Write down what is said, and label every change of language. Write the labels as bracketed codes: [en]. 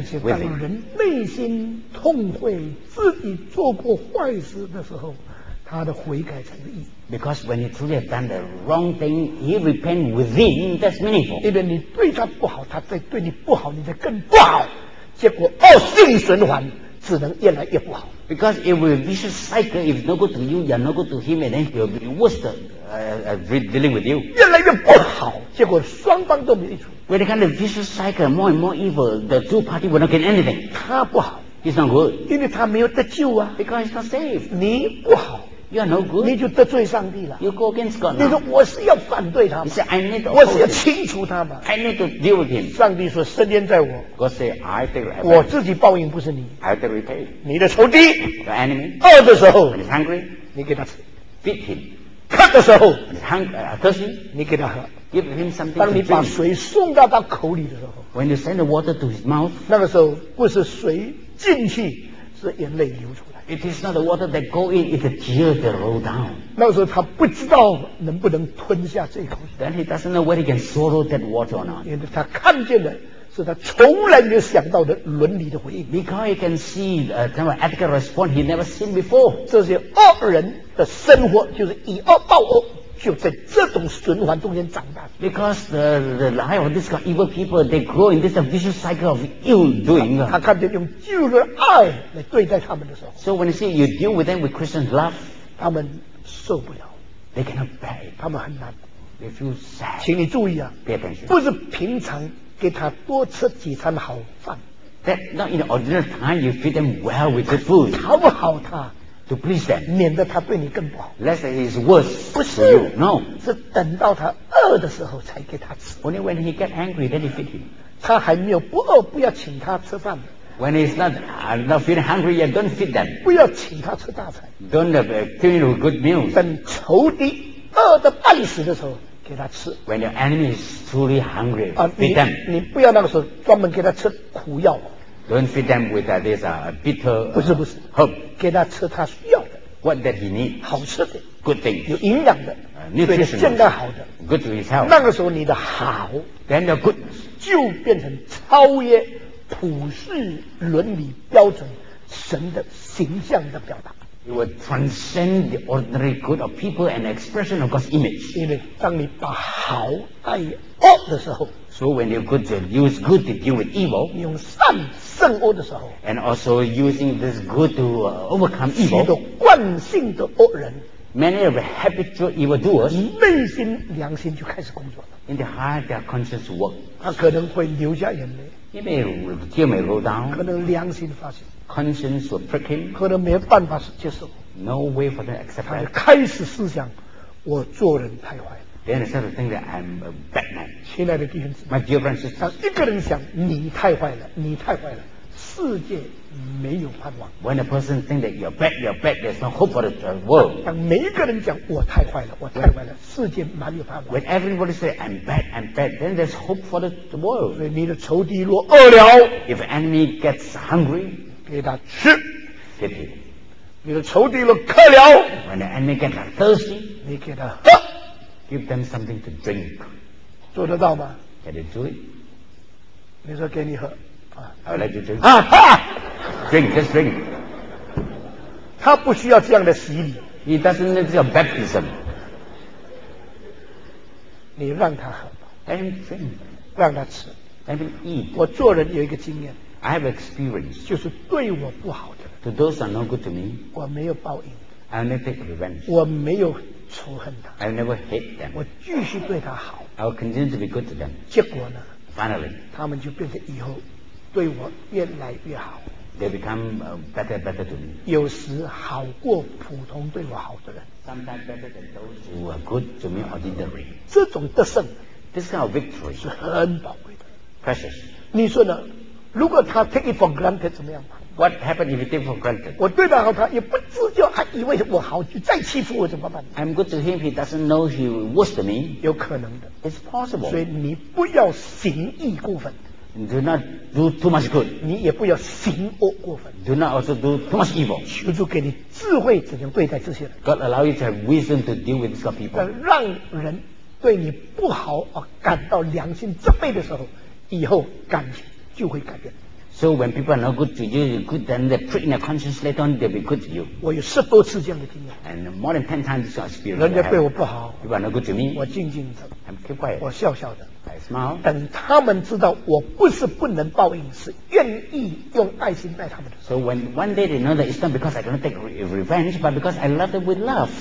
[zh] 因此，当人内心痛悔自己做过坏事的时候，他的悔改才是意义。 [en] Because when he truly has done the wrong thing, he repents within. That's meaningful. [zh] 因为你对他不好，他再对你不好，你再更不好，结果恶性循环，只能越来越不好。 [en] Because it will be a vicious cycle. If no good to you, you're no good to him, and then he will be worse. Dealing with you. [zh] 越来越不好，结果双方都没益处。 [en] When it kind of vicious cycle, more and more evil, the two parties will not get anything. [zh] 他不好 [en] ，He's not good. [zh] 因为他没有得救啊。 [en] Because he's not saved. [zh] 你不好 [en] ，You are no good. [zh] 你就得罪上帝了。 [en] You go against God. [zh] 你说我是要反对他。 [en] You say I need to. [zh] 我是要清除他嘛。 [en] I need to deal with him. [zh] 上帝说深渊在我。 [en] God say I take revenge. [zh] 我自己报应不是你。 [en] I take repay. [zh] 你的仇敌 [en] ，Your enemy. [zh] 饿的时候 [en] ，He's hungry. [zh] 你给他吃 [en] ，Feed him. [zh] 渴的时候 [en] ，He's hungry. Thirsty. [zh] 你给他喝。 [en] Give him something. [zh] 当你把水送到他口里的时候 [en] ，When you send the water to his mouth， [zh] 那个时候不是水进去，是眼泪流出来。 [en] It is not the water that go in; it's the tears that roll down. [zh] 那个时候他不知道能不能吞下这口水。 [en] Then he doesn't know whether he can swallow that water or not. [zh] 因为他看见的是他从来没有想到的伦理的回应。 [en] Because he can see a kind of ethical response he never seen before. [zh] 这些恶人的生活就是以恶报恶。就在这种循环中间长大。 [en] Because the life of this kind of evil people, they grow in this vicious cycle of ill doing. [zh] 他看见用基督的爱来对待他们的时候。 [en] So when you see you deal with them with Christian love, [zh] 他们受不了。 [en] They cannot bear. [zh] 他们很难。 [en] They feel sad. [zh] 请你注意啊。 [en] Pay attention. [zh] 不是平常给他多吃几餐好饭。 [en] That not in the ordinary time you feed them well with good food. [zh] 讨不好他。 [en] To please them, [zh] 免得他对你更不好。 [en] Lest he is worse. [zh] 不是 [en] ，no. No. [zh] 是等到他饿的时候才给他吃。 [en] Only when he get angry, then you feed him. [zh] 他还没有不饿，不要请他吃饭。 [en] When he is not feeling hungry, yet don't feed them. [zh] 不要请他吃大餐。 [en] Don't give him good meals. [zh] 等仇敌饿得半死的时候给他吃。 [en] When your enemy is truly hungry, feed them. [zh] 你不要那个时候专门给他吃苦药。 [en] Don't feed them with this bitter [zh] 不是不是 [en] herb. [zh] 给他吃他需要的 [en] What that he need? [zh] 好吃的 [en] Good things. [zh] 有营养的 [en] Nutritional. [zh] 健康好的 [en] Good to his health. [zh] 那个时候你的好 [en] Then the goodness. [zh] 就变成超越普世伦理标准神的形象的表达。 [en] It will transcend the ordinary good of people and expression of God's image. [zh] 因为当你把好带恶的时候 [en] ，So when you could use good to deal with evil， [zh] 你用善胜恶的时候 [en] ，And also using this good to overcome evil， [zh] 许多惯性的恶人 [en] ，Many of the habitual evil doers， [zh] 内心良心就开始工作了。 [en] In the heart, their conscience works。 [zh] 他可能会流下眼泪。 [en] He may tear may roll down。 [zh] 可能良心发现。 [en] Conscience will prick him。 [zh] 可能没有办法接受。 [en] No way for them to accept that。 [zh] 他就开始思想，我做人太坏了。 [en] Then he starts to think that I'm a bad man。 [zh] 亲爱的弟兄姊妹。 [en] My dear friends, [zh] 当一个人想你太坏了，你太坏了，世界没有盼望。 [en] When a person thinks that you're bad, there's no hope for the world。 [zh] 当每一个人讲我太坏了，我太坏了， [en] when, [zh] 世界满有盼望。 [en] When everybody says I'm bad, then there's hope for the world。 [zh] 所以你的仇敌若饿了 [en] ，If enemy gets hungry。 [zh] 给他吃 [en] ，Give him。 [zh] 你的仇敌若渴了 [en] ，When the enemy gets thirsty， [zh] 你给他喝 [en] ，Give them something to drink。 [zh] 做得到吗 [en] ？Can you do it？ [zh] 你说给你喝 [en] 啊 ，Let you drink 啊，Drink just drink。 [zh] 他不需要这样的洗礼 [en] ，He doesn't need your baptism。 [zh] 你让他喝 [en] ，Let him drink， [zh] 让他吃 [en] ，Let him eat。 [zh] 我做人有一个经验。 [en] I have experience. [zh] 就是对我不好的。 [en] To those are not good to me. [zh] 我没有报应。 [en] I never take revenge. [zh] 我没有仇恨他。 [en] I never hate them. [zh] 我继续对他好。 [en] I will continue to be good to them. [zh] 结果呢 [en] ？Finally, [zh] 他们就变成以后对我越来越好。 [en] They become better to me. [zh] 有时好过普通对我好的人。 [en] Sometimes better than those who are good to me ordinary. [zh] 这种得胜 [en] ，this kind of victory [zh] 是很宝贵的 [en] ，precious. [zh] 你说呢？如果他 [en] take it for granted [zh] 怎么样 [en] ？What happened if you take for granted？ [zh] 我对他好，他也不自觉，还以为我好，就再欺负我怎么办 [en] ？I'm good to him, he doesn't know he worse than me。 [zh] 有可能的 [en] ，It's possible。 [zh] 所以你不要行义过分 [en] ，Do not do too much good。 [zh] 你也不要行恶过分 [en] ，Do not also do too much evil。 [zh] 求主给你智慧，怎样对待这些人 [en] ？God allow you to have wisdom to deal with these people。 [zh] 让人对你不好而感到良心责备的时候，以后感情。就会改变。 [en] So when people are not good to you, good then they prick in their conscience. Later on, they'll be good to you. [zh] 我有十多次这样的经验。 [en] And more than 10 times this experience. [zh] 人家对我不好。 [en] You are not good to me. [zh] 我静静的。 [en] I'm keep quiet. [zh] 我笑笑的。 [en] I smile. [zh] 等他们知道我不是不能报应，是愿意用爱心待他们的。 [en] So when one day they know that it's not because I cannot take revenge, but because I love them with love.